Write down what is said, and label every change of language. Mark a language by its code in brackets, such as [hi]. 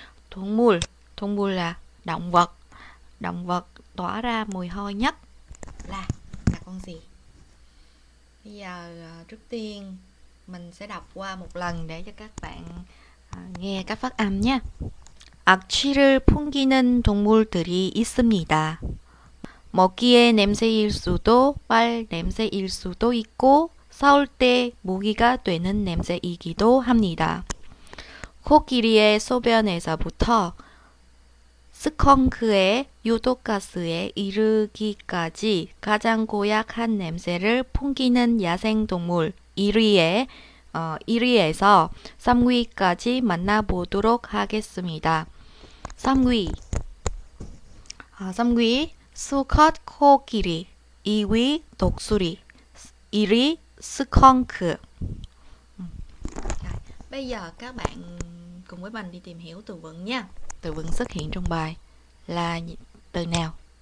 [vi] Thung mùi là động vật. Động vật tỏa ra mùi hôi nhất là con gì? Bây giờ trước tiên mình sẽ đọc qua một lần để cho các bạn nghe các phát âm nhé. [ko] 악취를 풍기는 동물들이 있습니다. 먹기의 냄새일 수도, 활 냄새일 수도 있고, 싸울 때 무기가 되는 냄새이기도 합니다. 코끼리의 소변에서부터 스컹크의 유독가스에 이르기까지 가장 고약한 냄새를 풍기는 야생동물 1위에 1위에서 3위까지 만나보도록 하겠습니다. 3위 3위 수컷 코끼리, 2위 독수리, 1위 스컹크. [vi] Bây giờ các bạn cùng với mình đi tìm hiểu từ vựng nha. Từ vựng xuất hiện trong bài là từ nào?